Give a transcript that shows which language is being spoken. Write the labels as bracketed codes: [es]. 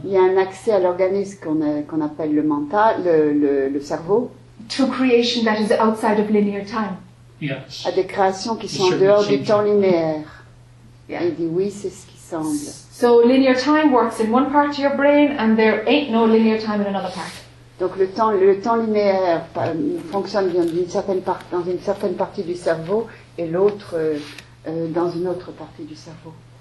[fr] Il y a un accès à l'organisme qu'on appelle le mental, le cerveau. [en] To creation that is outside of linear time. Yes. [fr] À des créations qui sont en dehors du temps linéaire. [en] Yeah. [fr] Il dit oui, c'est ce qui semble. [en] So linear time works in one part of your brain and there ain't no linear time in another part. [fr] Donc le temps linéaire fonctionne bien dans une certaine partie du cerveau et l'autre dans une autre partie du cerveau.